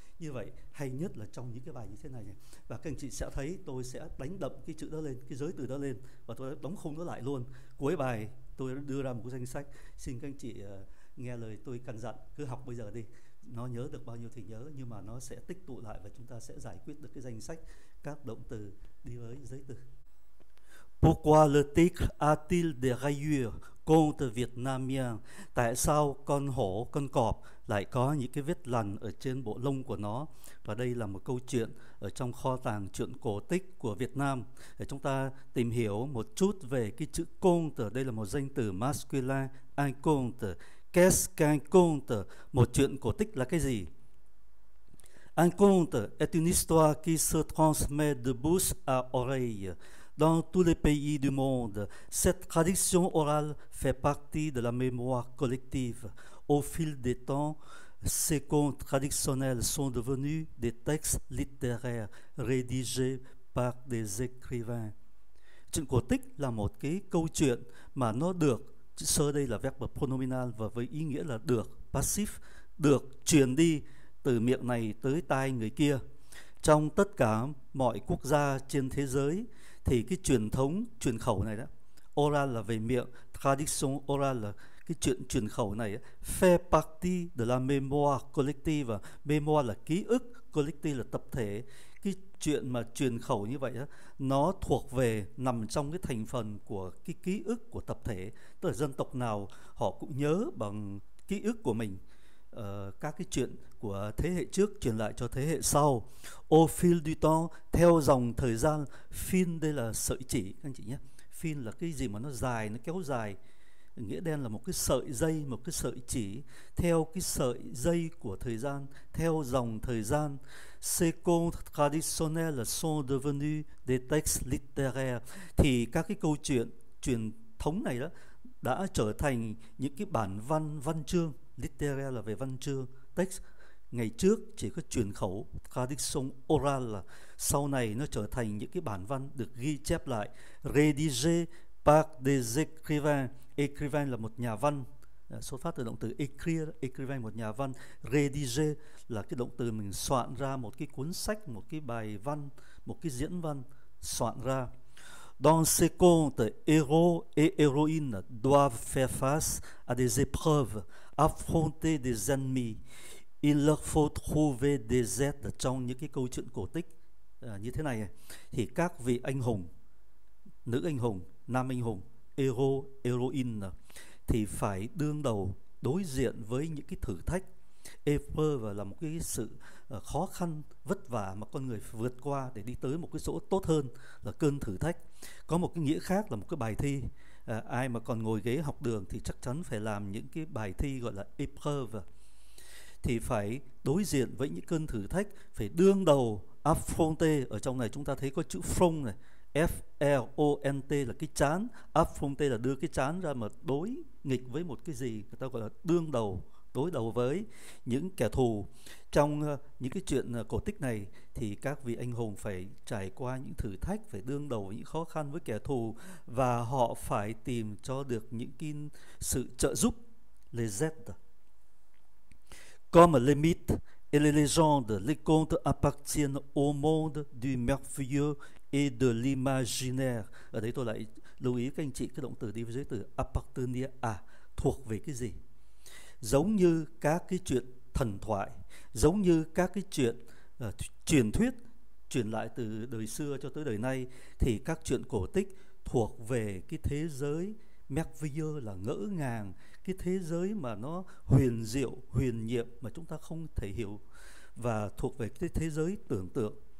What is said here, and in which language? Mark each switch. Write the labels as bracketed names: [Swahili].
[Vietnamese] như vậy hay nhất là trong những cái bài như thế này này. Và các anh chị sẽ thấy tôi sẽ đánh đậm cái chữ đó lên, cái giới từ đó lên, và tôi đã đóng khung nó lại luôn. Cuối bài tôi đã đưa ra một cái danh sách, xin các anh chị nghe lời tôi căn dặn, cứ học bây giờ đi, nó nhớ được bao nhiêu thì nhớ, nhưng mà nó sẽ tích tụ lại và chúng ta sẽ giải quyết được cái danh sách các động từ đi với giới từ. [French] Pourquoi le tigre a-t-il des rayures contre vietnamien? [Vietnamese] Tại sao con hổ, con cọp lại có những cái vết lằn ở trên bộ lông của nó? Và đây là một câu chuyện ở trong kho tàng truyện cổ tích của Việt Nam. Để chúng ta tìm hiểu một chút về cái chữ contre. Đây là một danh từ masculin, un contre. [French] Qu'est-ce qu'un contre? [Vietnamese] Một chuyện cổ tích là cái gì? [French] Un contre est une histoire qui se transmet de bouche à oreille. Dans tous les pays du monde, cette tradition orale fait partie de la mémoire collective. Au fil des temps, ces contes traditionnels sont devenus des textes littéraires rédigés par des écrivains. [Vietnamese] Chuyện cổ tích là một cái câu chuyện mà nó được, sơ đây là verb pronominal và với ý nghĩa là được, passif, được truyền đi từ miệng này tới tai người kia. Trong tất cả mọi quốc gia trên thế giới thì cái truyền thống truyền khẩu này đó, oral là về miệng, tradition oral là cái chuyện truyền khẩu này, [French] fait partie de la mémoire collective, [Vietnamese] mémoire là ký ức, collective là tập thể. Cái chuyện mà truyền khẩu như vậy đó, nó thuộc về, nằm trong cái thành phần của cái ký ức của tập thể, tức là dân tộc nào họ cũng nhớ bằng ký ức của mình. Các cái chuyện của thế hệ trước truyền lại cho thế hệ sau. [French] Au fil du temps, [Vietnamese] theo dòng thời gian. Fil đây là sợi chỉ các anh chị nhé. Fil là cái gì mà nó dài, nó kéo dài. Nghĩa đen là một cái sợi dây, một cái sợi chỉ. Theo cái sợi dây của thời gian, theo dòng thời gian. [French] Ces contes traditionnels sont devenus des textes littéraires. [Vietnamese] Thì các cái câu chuyện truyền thống này đó đã trở thành những cái bản văn, văn chương. Literal là về văn chương, text ngày trước chỉ có truyền khẩu, tradition oral là sau này nó trở thành những cái bản văn được ghi chép lại, [French] rédigé par des écrivains, [Vietnamese] écrivain là một nhà văn, xuất phát từ động từ écrire, écrivain một nhà văn, rédigé là cái động từ mình soạn ra một cái cuốn sách, một cái bài văn, một cái diễn văn, soạn ra. [French] Dans ces contes, héros et héroïnes doivent faire face à des épreuves, affronter des ennemis. Il leur faut trouver des aides. [Vietnamese] Trong những cái câu chuyện cổ tích như thế này, thì các vị anh hùng, nữ anh hùng, nam anh hùng, héros, héroïnes, thì phải đương đầu, đối diện với những cái thử thách. Épreuve là một cái sự khó khăn, vất vả mà con người vượt qua để đi tới một cái chỗ tốt hơn, là cơn thử thách. Có một cái nghĩa khác là một cái bài thi. Ai mà còn ngồi ghế học đường thì chắc chắn phải làm những cái bài thi gọi là épreuve. Thì phải đối diện với những cơn thử thách, phải đương đầu, affronter. Ở trong này chúng ta thấy có chữ front này, F-L-O-N-T là cái chán. Affronter là đưa cái chán ra mà đối nghịch với một cái gì, người ta gọi là đương đầu, đối đầu với những kẻ thù. Trong những cái chuyện cổ tích này thì các vị anh hùng phải trải qua những thử thách, phải đương đầu với những khó khăn với kẻ thù, và họ phải tìm cho được những cái sự trợ giúp. [French] Les aides. Comme les mythes et les légendes, les contes appartiennent au monde du merveilleux et de l'imaginaire. [Vietnamese] Ở đây tôi lại lưu ý các anh chị cái động từ đi với giới từ appartenir, à, thuộc về cái gì? Giống như các cái chuyện thần thoại, giống như các cái chuyện truyền thuyết truyền lại từ đời xưa cho tới đời nay, thì các chuyện cổ tích thuộc về cái thế giới merveilleux là ngỡ ngàng, cái thế giới mà nó huyền diệu, huyền nhiệm mà chúng ta không thể hiểu, và thuộc về cái thế giới tưởng tượng.